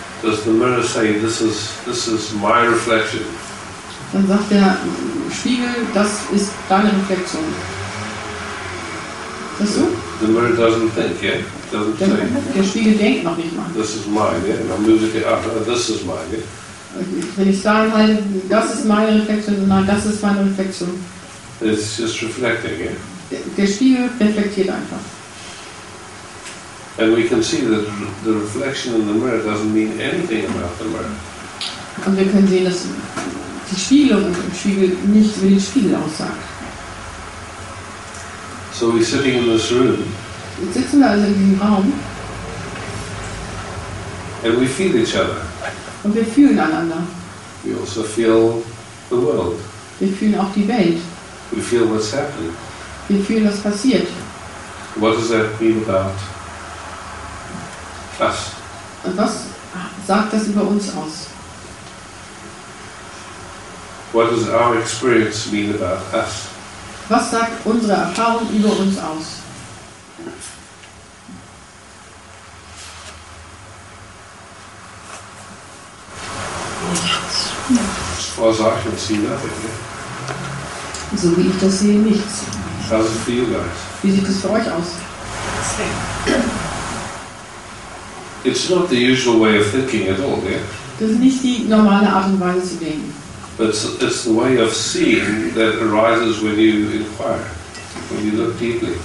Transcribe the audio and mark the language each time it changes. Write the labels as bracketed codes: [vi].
[en] does the mirror say this is my reflection? [de] Dann sagt der Spiegel, das ist deine Reflexion. Ist das so? [en] The mirror doesn't think, yeah? Doesn't [de] say. Der Spiegel denkt noch nicht mal. [en] This is mine, yeah? And I'm moving it up. This is mine, yeah? [de] Wenn ich sagen halte, das ist meine Reflexion, nein, das ist meine Reflexion. [en] It's just reflecting, yeah? [de] Der Spiegel reflektiert einfach. [en] And we can see that the reflection in the mirror doesn't mean anything about the mirror. [de] Und wir können sehen, dass die Spiegelung im Spiegel nicht über den Spiegel aussagt. [en] So we're sitting in this room. [de] Jetzt sitzen wir also in diesem Raum. [en] And we feel each other. [de] Und wir fühlen einander. [en] We also feel the world. [de] Wir fühlen auch die Welt. [en] We feel what's happening. [de] Wir fühlen, was passiert. [en] What does that mean about us? [de] Und was sagt das über uns aus? [en] What does our experience mean about us? [de] Was sagt unsere Erfahrung über uns aus? [en] As I can see nothing. [de] So wie ich das sehe, nichts. [en] How's it for you guys? [de] Wie sieht es für euch aus? [en] It's not the usual way of thinking at all, yeah? [de] Das ist nicht die normale Art und Weise zu denken. [en] But it's the way of seeing that arises when you inquire, when you look deeply.